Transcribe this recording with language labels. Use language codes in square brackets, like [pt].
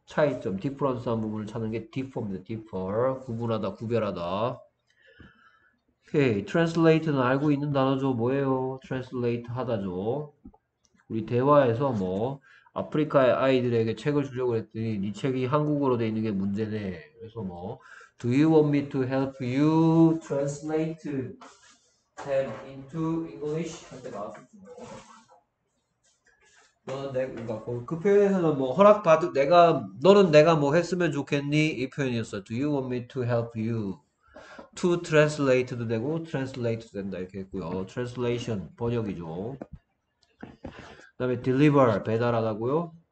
[ko] 차이점, difference 한 부분을 찾는 게 differ입니다. differ. 구분하다, 구별하다. 오케이, translate는 알고 있는 단어죠. 뭐예요? translate 하다죠. 우리 대화에서 뭐 아프리카의 아이들에게 책을 주려고 했더니 네 책이 한국어로 되어 있는 게 문제네. 그래서 뭐 [en] Do you want me to help you translate them into English? [ko] 할때 나왔을 때 뭐. 그 표현에서는 뭐 허락받은 너는 내가 뭐 했으면 좋겠니? 이 표현이었어. [en] Do you want me to help you to translate도 되고 translate도 [ko] 된다 이렇게 했고요. translation 번역이죠. 그다음에 deliver 배달하다고요.